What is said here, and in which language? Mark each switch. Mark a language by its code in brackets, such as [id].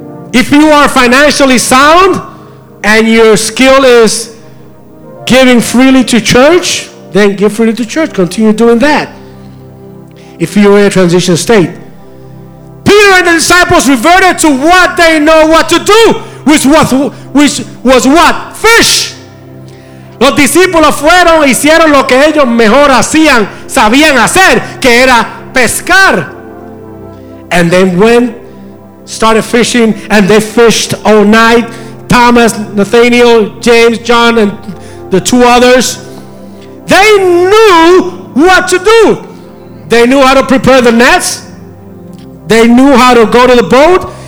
[en] If you are financially sound and your skill is giving freely to church, then give freely to church. Continue doing that. If you're in a transition state, Peter and the disciples reverted to what they know what to do, which was what? Fish. [es] Los discípulos fueron, hicieron lo que ellos mejor hacían, sabían hacer, que era pescar. [en] And then started fishing, and they fished all night. Thomas, Nathaniel, James, John, and the two others. They knew what to do. They knew how to prepare the nets. They knew how to go to the boat.